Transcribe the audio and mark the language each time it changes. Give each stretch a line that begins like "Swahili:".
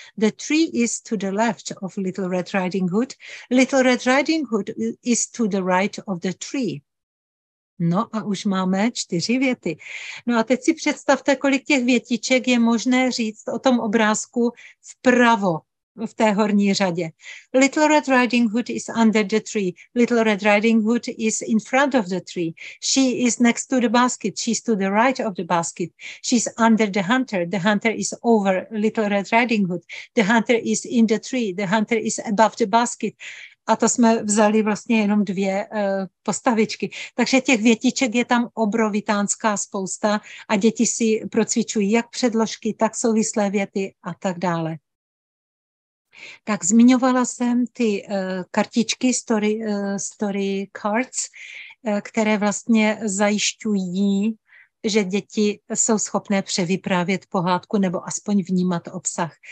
English: The tree is to the left of Little Red Riding Hood. Little Red Riding Hood is to the right of the tree.
Czech: No a už máme čtyři věty. No a teď si představte, kolik těch větiček je možné říct o tom obrázku vpravo v té horní řadě.
English: Little Red Riding Hood is under the tree. Little Red Riding Hood is in front of the tree. She is next to the basket. She's to the right of the basket. She's under the hunter. The hunter is over Little Red Riding Hood. The hunter is in the tree. The hunter is above the basket.
Czech: A to jsme vzali vlastně jenom dvě postavičky. Takže těch větiček je tam obrovitánská spousta a děti si procvičují jak předložky, tak souvislé věty a tak dále. Tak zmiňovala jsem ty kartičky, story cards, které vlastně zajišťují, že děti jsou schopné převyprávět pohádku nebo aspoň vnímat obsah.